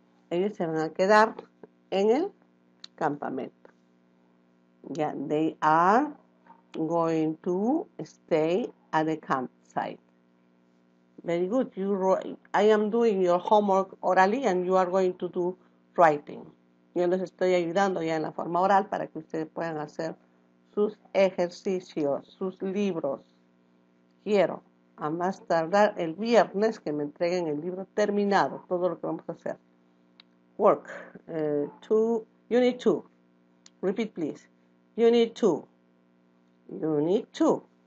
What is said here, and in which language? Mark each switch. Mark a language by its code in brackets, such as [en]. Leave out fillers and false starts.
[es] Ellos se van a quedar en el campamento. [en] Yeah, they are going to stay at the campsite. Very good. I am doing your homework orally and you are going to do writing. [es] Yo les estoy ayudando ya en la forma oral para que ustedes puedan hacer sus ejercicios, sus libros. Quiero, a más tardar el viernes, que me entreguen el libro terminado, todo lo que vamos a hacer. [en] Work. You need to. Repeat, please. You need to. You need to.